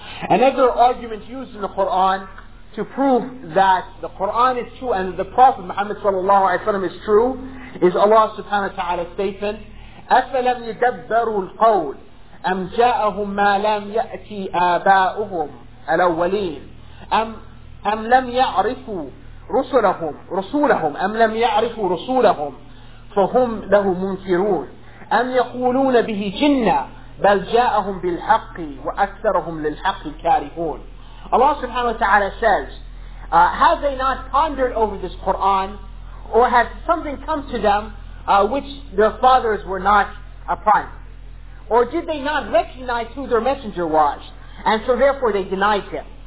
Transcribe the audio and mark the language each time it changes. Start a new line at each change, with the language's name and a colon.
English: Another argument used in the Quran to prove that the Quran is true and the Prophet Muhammad sallallahu alaihi wasallam is true is Allah subhanahu wa ta'ala's statement,
Arabic: أَفَلَمْ يَدَبَّرُوا الْقَوْلِ أَمْ جَاءَهُمْ مَا لَمْ يَأْتِي آبَاؤُهُمْ الْأَوَّلِينَ أَمْ لَمْ يَعْرِفُوا رسلهم رسولهم أم لم يعرفوا رسولهم فهم له منكرون أم يقولون به جنة بل جاءهم بالحق وأكثرهم للحق كارهون.
English: Allah subhanahu wa ta'ala says, have they not pondered over this Quran, or has something come to them which their fathers were not upon? Or did they not recognize who their messenger was, and so therefore they denied him?